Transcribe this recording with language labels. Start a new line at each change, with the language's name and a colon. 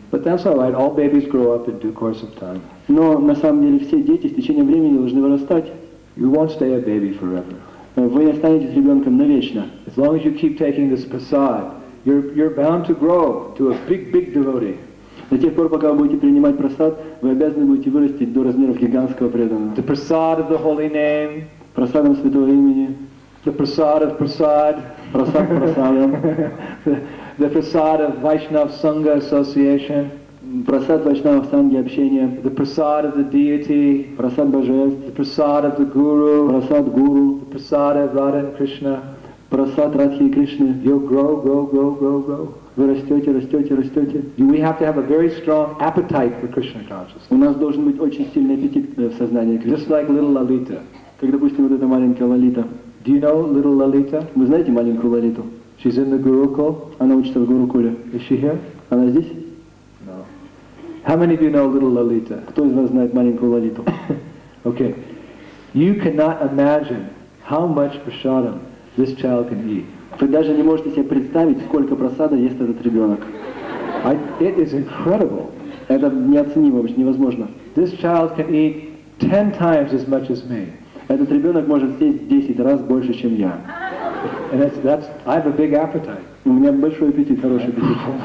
English: But that's all right. All babies grow up in due course of time.
Russian: Но на самом деле все дети с течением времени должны вырастать.
English: You won't stay a baby forever.
Russian: Вы не останетесь ребенком навечно.
English: As long as you keep taking this prasad, you're bound to grow to a big, big devotee.
Russian: До тех пор, пока вы будете принимать прасад, вы обязаны будете вырасти до размеров гигантского преданного.
English: The prasad of the holy name.
Russian: Прасадом святого имени.
English: The prasad of prasad.
Russian: Прасад прасадом.
English: The prasad of Vaishnav Sangha Association.
Russian: Прасад Вайшнав Санги Общения.
English: The prasad of the deity.
Russian: Прасад Божеств.
English: The prasad of the guru.
Russian: Прасад гуру.
English: The prasad of Radha and Krishna.
Russian: Прасад Радхи и Кришны.
English: You'll grow, grow, grow, grow, grow.
Russian: Вы растете, растете, растете.
English: We have to have a very strong appetite for Krishna consciousness.
Russian: У нас должен быть очень сильный аппетит в сознании Кришны.
English: Just like little Lalita.
Russian: Как, допустим, вот эта маленькая Лолита.
English: Do you know little Lalita?
Russian: Вы знаете маленькую Лолиту?
English: She's in the Gurukul.
Russian: Она учится в Гурукуле.
English: Is she here?
Russian: Она здесь?
English: No. How many of you know little Lalita?
Russian: Кто из вас знает маленькую Лолиту?
English: Okay. You cannot imagine how much prasadam this child can eat.
Russian: Вы даже не можете себе представить, сколько просада ест этот ребенок.
English: It is incredible.
Russian: Это неоценимо, вообще невозможно.
English: This child can eat 10 times as much as me.
Russian: Этот ребенок может съесть 10 раз больше, чем я.
English: And that's, I have a big appetite.
Russian: У меня большой аппетит, хороший аппетит.